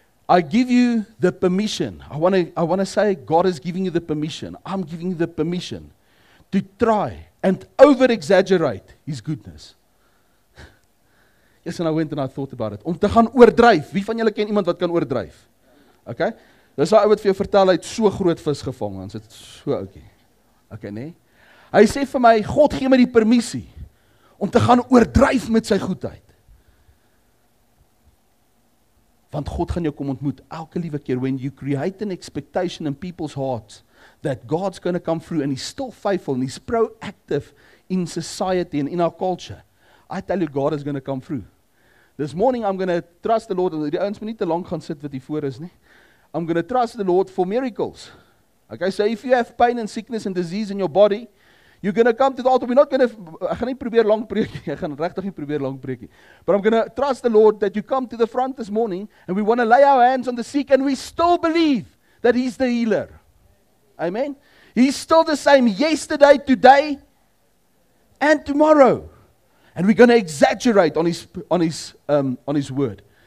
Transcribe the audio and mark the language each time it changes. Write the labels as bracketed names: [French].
[English] I give you the permission. I want to say God is giving you the permission. I'm giving you the permission to try and over-exaggerate His goodness. Yes, and I went and I thought about it. [Afrikaans] Om te gaan oordryf. Wie van julle ken iemand wat kan oordryf? Okay? Dis daai ou wat vir jou vertel hy het so groot vis gevang, want dit so oukie. Okay, nee. Hy sê vir my, God gee my die permissie om te gaan oordryf met sy goedheid. Want God gaan jou kom ontmoet elke liewe keer [English] when you create an expectation in people's hearts that God's going to come through and he's still faithful and he's proactive in society and in our culture. I tell you God is going to come through. This morning I'm going to trust the Lord. [Afrikaans] Die ouens moet nie te lank gaan sit wat hier voor is nie. [English] I'm going to trust the Lord for miracles. Okay, so if you have pain and sickness and disease in your body, you're going to come to the altar. [Afrikaans] Ek gaan nie probeer lank preek nie. Ek gaan regtig nie probeer lank preek nie. [English] But I'm going to trust the Lord that you come to the front this morning and we want to lay our hands on the sick and we still believe that he's the healer. Amen. He's still the same yesterday, today and tomorrow. And we're going to exaggerate on his word.